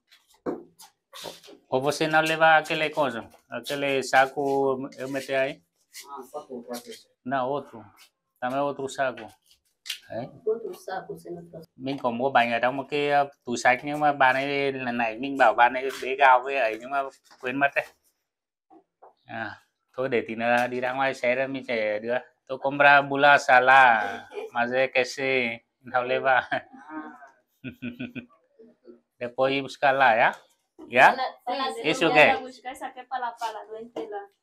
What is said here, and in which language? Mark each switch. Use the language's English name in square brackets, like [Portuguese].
[Portuguese] pitu. Ou você não leva aquele coisa? Aquele saco eu meti aí? Não, outro. Também outro saco. É? Outro saco você não trouxe. [Vietnamese] Mình có mua bánh ở trong một cái túi sách, nhưng mà bà này lần này mình bảo bà này bế gạo với ấy, nhưng mà quên mất đấy. À, thôi để tí nữa đi ra ngoài xe rồi mình sẽ đưa. [Portuguese] Tô compra bula sala, mas é que se, não leva. Depois ir buscar lá, já? Já? Isso o quê? Essa aqui é para lá, para lá,